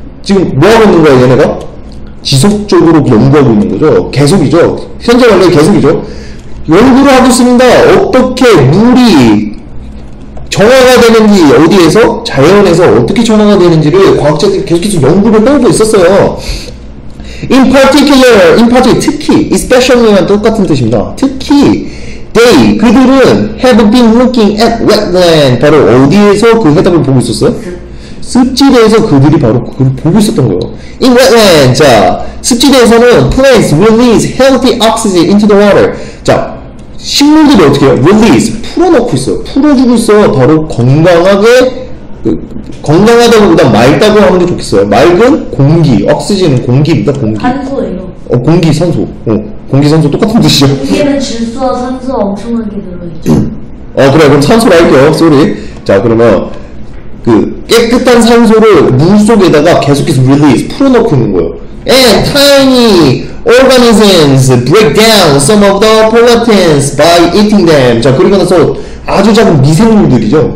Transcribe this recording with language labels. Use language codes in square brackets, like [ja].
[ko] 지금 뭐하고 있는 거야, 얘네가? 지속적으로 연구하고 있는 거죠. 계속이죠. 현재 완료 계속이죠. 연구를 하고 있습니다. 어떻게 물이 정화가 되는지, 어디에서? 자연에서 어떻게 정화가 되는지를 과학자들이 계속해서 연구를 해오고 있었어요. [en] In particular, [ko] 특히, especially란 똑같은 뜻입니다. 특히, [en] they, [ko] 그들은 [en] have been looking at wetland. [ko] 바로 어디에서 그 해답을 보고 있었어요? 습지대에서 그들이 바로 그걸 보고 있었던 거예요. [en] In wetland, [ko] 자, 습지대에서는 [en] plants release healthy oxygen into the water. [ko] 자, 식물들이 어떻게 해요? release. 풀어놓고 있어요. 풀어주고 있어요. 바로 건강하게, 건강하다고 보다 맑다고 하는 게 좋겠어요. 맑은 공기. 옥시진은 공기입니다. 공기. 산소예요. 공기, 산소. 공기, 산소 똑같은 뜻이죠. 공기는 질소와 산소 엄청나게 들어있죠. 그래. 그럼 산소로 할게요. 쏘리. 자, 그러면 그 깨끗한 산소를 물 속에다가 계속해서 release. 풀어놓고 있는 거예요. [en] And tiny organisms break down some of the pollutants by eating them. [ko] 자, 그리고 나서 아주 작은 미생물들이죠.